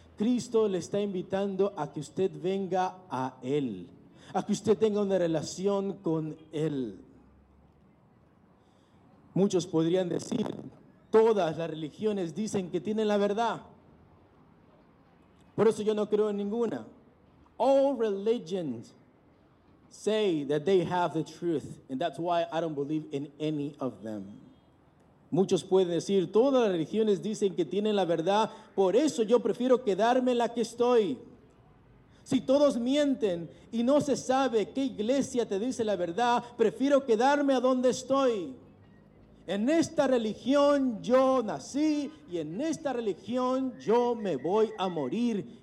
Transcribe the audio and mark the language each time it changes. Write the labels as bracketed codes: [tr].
[es] Cristo le está invitando a que usted venga a Él, a que usted tenga una relación con Él. Muchos podrían decir, todas las religiones dicen que tienen la verdad. Por eso yo no creo en ninguna. [en] All religions say that they have the truth, and that's why I don't believe in any of them. [es] Muchos pueden decir, todas las religiones dicen que tienen la verdad, por eso yo prefiero quedarme en la que estoy. Si todos mienten y no se sabe qué iglesia te dice la verdad, prefiero quedarme a donde estoy. En esta religión yo nací y en esta religión yo me voy a morir.